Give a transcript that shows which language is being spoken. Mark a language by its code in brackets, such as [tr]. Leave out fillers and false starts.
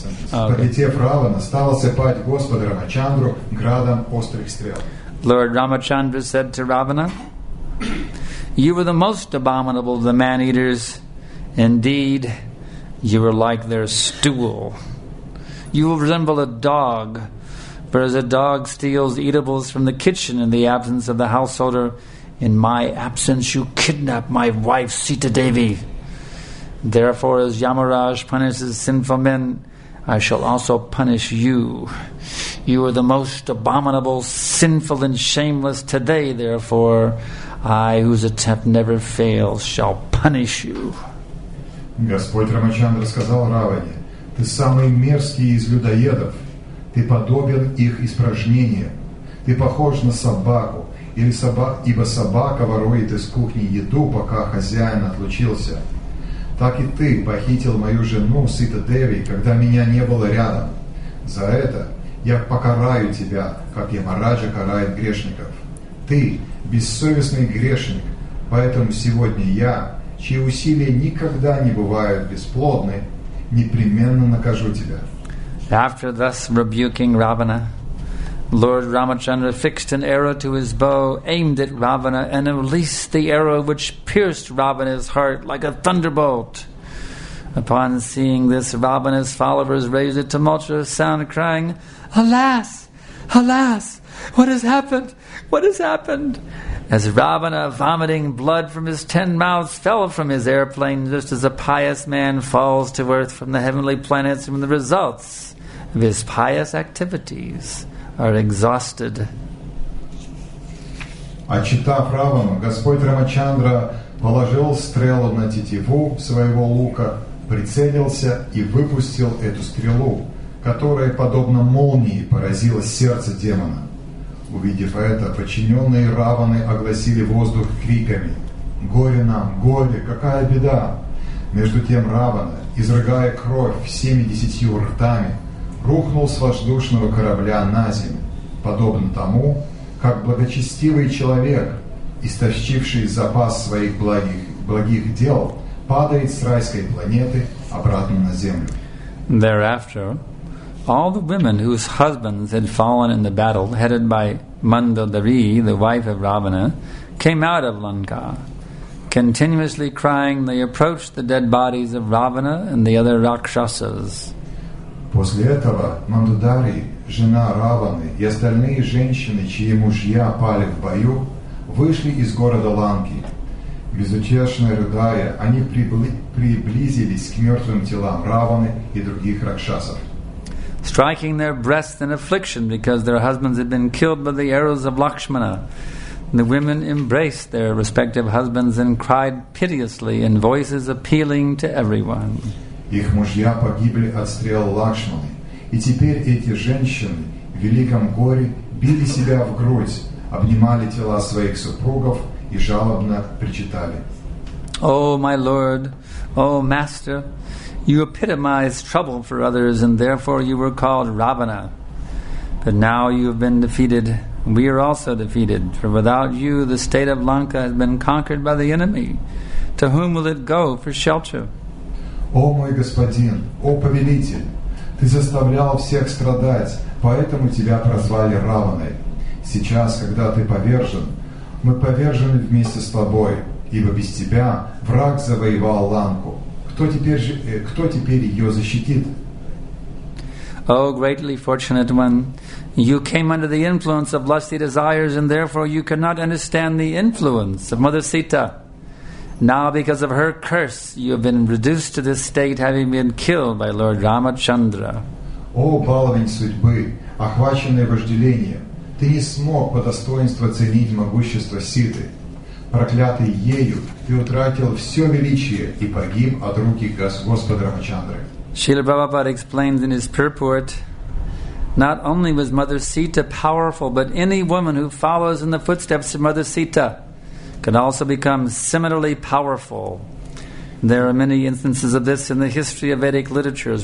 [ru] Полетев Равана, стал осыпать Господа Рамачандру градом острых стрел. [en] Lord Ramachandra said to Ravana, "You were the most abominable of the man-eaters. Indeed, you were like their stool. You resemble a dog, for as a dog steals eatables from the kitchen in the absence of the householder, in my absence you kidnap my wife Sita Devi. Therefore, as Yamaraj punishes sinful men, I shall also punish you. You are the most abominable, sinful, and shameless. Today, therefore, I, whose attempt never fails, shall punish you." [ru] Господь Рамачандра сказал Раване, «Ты самый мерзкий из людоедов. Ты подобен их испражнениям. Ты похож на собаку, ибо собака ворует из кухни еду, пока хозяин отлучился. Так и ты похитил мою жену Сита-деви, когда меня не было рядом. За это я покараю тебя, как Ямараджа карает грешников. Ты – бессовестный грешник, поэтому сегодня я, чьи усилия никогда не бывают бесплодны, непременно накажу тебя». [en] After thus rebuking Ravana, Lord Ramachandra fixed an arrow to his bow, aimed at Ravana, and released the arrow which pierced Ravana's heart like a thunderbolt. Upon seeing this, Ravana's followers raised a tumultuous sound, crying, "Alas! Alas! What has happened? What has happened?" As Ravana, vomiting blood from his 10 mouths, fell from his airplane, just as a pious man falls to earth from the heavenly planets when the results of his pious activities are exhausted. [ru] Отчитав Равану, Господь Рамачандра положил стрелу на тетиву своего лука, прицелился и выпустил эту стрелу, которая, подобно молнии, поразила сердце демона. Увидев это, подчиненные Раваны огласили воздух криками: «Горе нам! Горе! Какая беда!» Между тем Равана, изрыгая кровь всеми 10 ртами, рухнул с воздушного корабля на землю, подобно тому, как благочестивый человек, истощивший запас своих благих дел, падает с райской планеты обратно на землю. [en] Thereafter, all the women whose husbands had fallen in the battle, headed by Mandodari, the wife of Ravana, came out of Lanka. Continuously crying, they approached the dead bodies of Ravana and the other Rakshasas. [ru] После этого Мандодари, жена Раваны, и остальные женщины, чьи мужья пали в бою, вышли из города Ланки. Безутешно рыдая, они приблизились к мертвым телам Раваны и других Ракшасов. [en] Striking their breasts in affliction because their husbands had been killed by the arrows of Lakshmana, the women embraced their respective husbands and cried piteously in voices appealing to everyone. [ru] Их мужья погибли от стрел Лакшманы, и теперь эти женщины в великом горе били себя в грудь, обнимали тела своих супругов и жалобно причитали. [en] О, my Lord, о, Master, you epitomized trouble for others, and therefore you were called Ravana. But now you have been defeated, and we are also defeated, for without you the state of Lanka has been conquered by the enemy. To whom will it go for shelter? [ru] О, мой господин, о, повелитель, ты заставлял всех страдать, поэтому тебя прозвали Раваной. Сейчас, когда ты повержен, мы повержены вместе с тобой, ибо без тебя враг завоевал Ланку. Кто теперь ее защитит? [en] О, greatly fortunate one, you came under the influence of lusty desires, and therefore you cannot understand the influence of Mother Sita. Now, because of her curse, you have been reduced to this state, having been killed by Lord Ramachandra. [ru] О, баловень судьбы, охваченный вожделением, ты не смог по достоинству оценить могущество Ситы. Проклятый ею, ты утратил все величие и погиб от руки Господа Рамачандры. [en] Шрила Прабхупада explains in his purport, not only was Mother Sita powerful, but any woman who follows in the footsteps of Mother Sita can also become similarly powerful. There are many instances of this in the history of Vedic literatures.